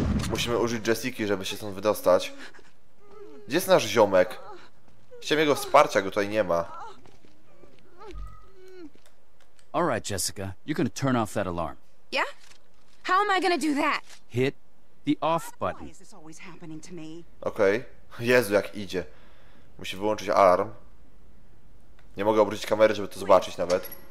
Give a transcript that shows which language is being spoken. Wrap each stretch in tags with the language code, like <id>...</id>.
<pl>Musimy użyć Jessiki, żeby się stąd wydostać. Gdzie jest nasz ziomek? Chciałem jego wsparcia, go tutaj nie ma.</pl> <en>All right, Jessica, you're gonna turn off that alarm. Yeah? How am I gonna do that? Hit the off button. Why is this always happening to me?</en> <pl>Okay. Jezu, jak idzie. Musi wyłączyć alarm. Nie mogę obrócić kamery, żeby to zobaczyć nawet.</pl>